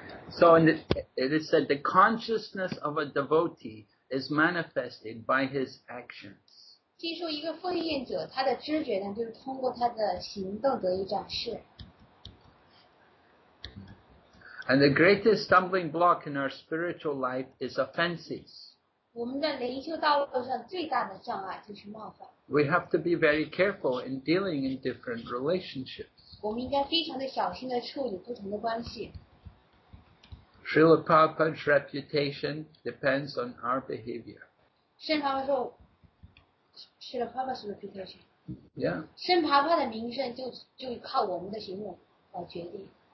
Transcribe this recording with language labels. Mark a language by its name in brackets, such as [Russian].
[English] So it is said the consciousness of a devotee is manifested by his actions. [Chinese] 听说一个奉献者，他的知觉呢，就是通过他的行动得以展示。 [English] And the greatest stumbling block in our spiritual life is offenses. [Chinese] 我们在灵修道路上最大的障碍就是冒犯。 [English] We have to be very careful in dealing in different relationships. [Chinese] 我们应该非常的小心地处理不同的关系。 [English] Srila Prabhupada's reputation depends on our behavior. [Chinese] 圣帕帕说 ， [English] Srila Prabhupada's reputation. Yeah. [Chinese] 圣帕帕的名声就靠我们的行为来决定。